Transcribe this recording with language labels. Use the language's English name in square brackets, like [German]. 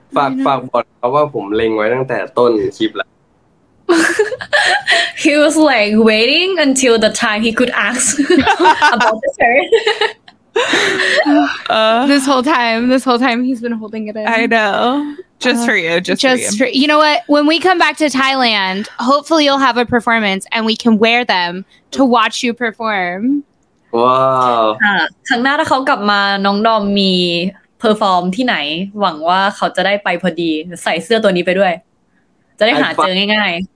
[Thai] ฝากบอกเขาว่าผมเล็งไว้ตั้งแต่ต้นคลิปแล้ว [English] He was like waiting until the time he could ask about the shirt. this whole time he's been holding it in. I know. Just for you. You know what? When we come back to Thailand, hopefully you'll have a performance and we can wear them to watch you perform. Wow. [Thai] ครั้งหน้าถ้าเขากลับมาน้องดอมมีเพอร์ฟอร์มที่ไหนหวังว่าเขาจะได้ไปพอดีใส่เสื้อตัวนี้ไปด้วยจะได้หาเจอง่าย